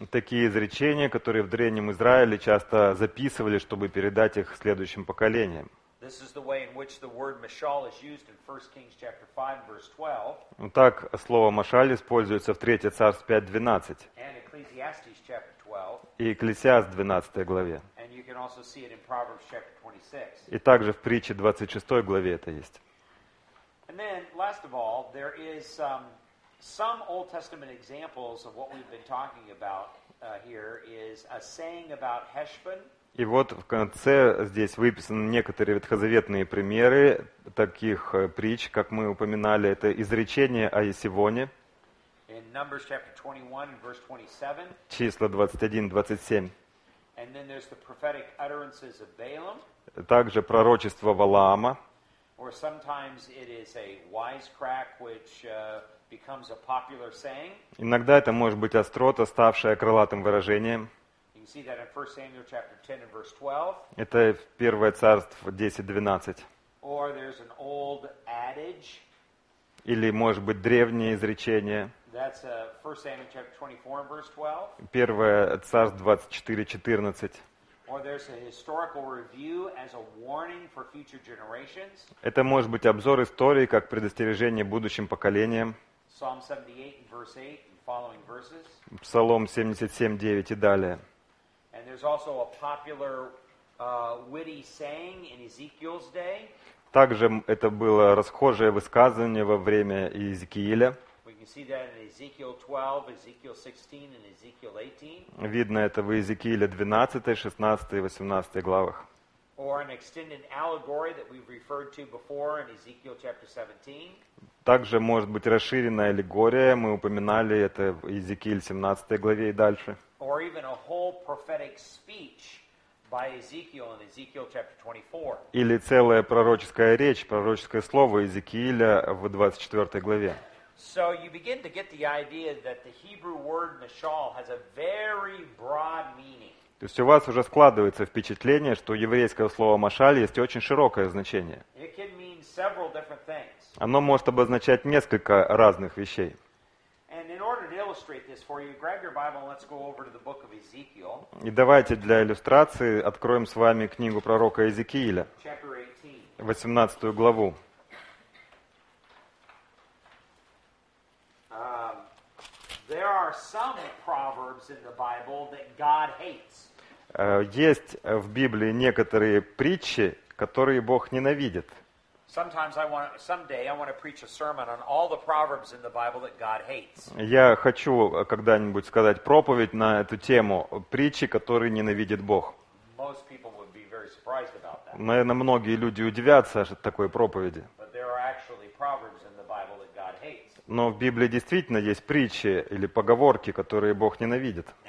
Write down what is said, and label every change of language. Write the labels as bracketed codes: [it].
[ru] Такие изречения, которые в древнем Израиле часто записывали, чтобы передать их следующим поколениям. [en] This is the way in which the word mashal is used in 1 Kings chapter 5 verse 12. [ru] Так слово машаль используется в 3 Царств 5:12. [en] And Ecclesiastes chapter 12. [ru] И Экклесиаст 12 главе. [en] And you can also see it in Proverbs chapter 26. [ru] И также в притче 26 главе это есть. [en] And then, last of all, there is some Old Testament examples of what we've been talking about here is a saying about Heshbon. [ru] И вот в конце здесь выписаны некоторые ветхозаветные примеры таких притч, как мы упоминали, это изречение о Есивоне. [en] In Numbers chapter 21, verse 27. [ru] Числа 21:27. [en] And then there's the prophetic utterances of Balaam. [ru] Также пророчество Валаама. [en] Or sometimes it is a wisecrack which becomes a popular saying. [ru] Иногда это может быть острота, ставшая крылатым выражением. [en] You can see that in 1 Samuel chapter 10 and verse 12. [ru] Это в 1 Царств 10:12. [en] Or there's an old adage. [ru] Или может быть древнее изречение. [en] That's 1 Samuel chapter 24 and verse 12. [ru] 1 Царств 24:14. [en] Or there's a historical review as a warning for future generations. [ru] Это может быть обзор истории как предостережение будущим поколениям. [en] Psalm 78 and verse 8 and following verses. [ru] Псалом 77:9 и далее. [en] And there's also a popular witty saying in Ezekiel's day. [ru] Также это было расхожее высказывание во время Иезекииля. [en] See that in Ezekiel 12, Ezekiel 16, and Ezekiel 18. [ru] Видно это в Иезекииле 12, 16 и 18 главах. [en] Or an extended allegory that we've referred to before in Ezekiel chapter 17. [ru] Также может быть расширенная аллегория, мы упоминали это в Иезекииле 17 главе и дальше. [en] Or even a whole prophetic speech by Ezekiel in Ezekiel chapter 24. [ru] Или целая пророческая речь, пророческое слово Иезекииля в 24 главе. [en] So you begin to get the idea that the Hebrew word mashal has a very broad meaning. [ru] То есть у вас уже складывается впечатление, что еврейское слово машаль есть очень широкое значение. [en] It can mean several different things. [ru] Оно может обозначать несколько разных вещей. [en] And in order to illustrate this for you, grab your Bible and let's go over to the book of Ezekiel. [ru] И давайте для иллюстрации откроем с вами книгу пророка Иезекииля. [en] Chapter 18. [ru] 18 главу. [en] There are some proverbs in the Bible that God hates. [ru] Есть в Библии некоторые притчи, которые Бог ненавидит. [en] Sometimes someday I want to preach a sermon on all the proverbs in the Bible that God hates. [ru] Я хочу когда-нибудь сказать проповедь на эту тему, притчи, которые ненавидит Бог. [en] Most people would be very surprised about that. [ru] Наверное, многие люди удивятся от такой проповеди. [en] But there are actually proverbs in the Bible that God hates. [ru] Но в Библии действительно есть притчи или поговорки, которые Бог ненавидит.